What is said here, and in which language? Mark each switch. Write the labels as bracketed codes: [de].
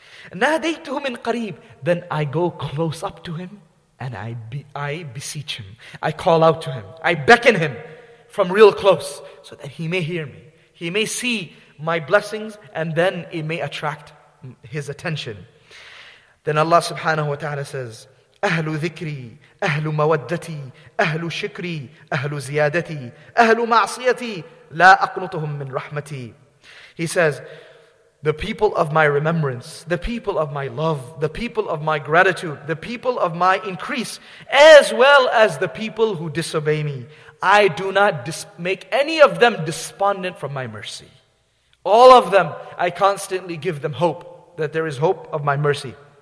[ar] نَادَيْتُهُ مِنْ قَرِيبٍ. [en] Then I go close up to him and I beseech him. I call out to him. I beckon him from real close so that he may hear me. He may see my blessings and then it may attract his attention. Then Allah subhanahu wa ta'ala says, [ar] أهل ذكري, أهل مودتي, أهل شكري, أهل زيادتي, أهل معصيتي, لا أقنطهم من رحمتي. [en] He says, the people of my remembrance, the people of my love, the people of my gratitude, the people of my increase, as well as the people who disobey me, I do not make any of them despondent from my mercy. All of them, I constantly give them hope that there is hope of my mercy.